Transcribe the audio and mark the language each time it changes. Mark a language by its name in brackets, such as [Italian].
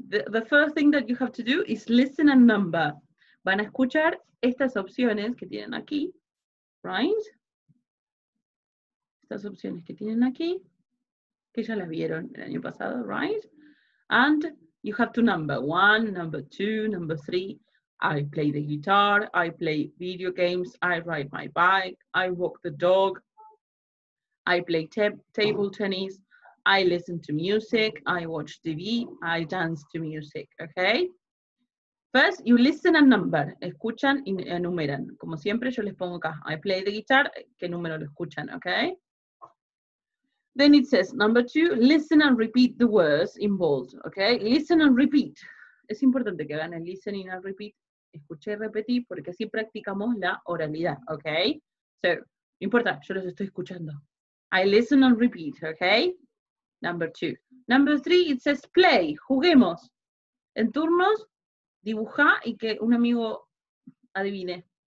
[English] The first thing that you have to do is listen and number. [Spanish] Van a escuchar estas opciones que tienen aquí. [English] Right? [Spanish] Estas opciones que tienen aquí. Que ya las vieron el año pasado. [English] Right? And you have to number. One, number two, number three. I play the guitar, I play video games, I ride my bike, I walk the dog, I play table tennis, I listen to music, I watch TV, I dance to music, okay? First, you listen and number, [Spanish] escuchan y enumeran. Como siempre, yo les pongo acá, [English] I play the guitar, [Spanish] ¿qué número lo escuchan, [English] okay? Then it says, number two, listen and repeat the words involved, okay? Listen and repeat. [Spanish] Es importante que hagan el [English] listening and repeat. [Spanish] Escuché y repetí porque así practicamos la oralidad, ¿ok? [English] So, [Spanish] no importa, yo los estoy escuchando. [English] I listen and repeat, ¿ok? Number two. Number three, it says play, [Spanish] juguemos. En turnos, dibuja y que un amigo adivine.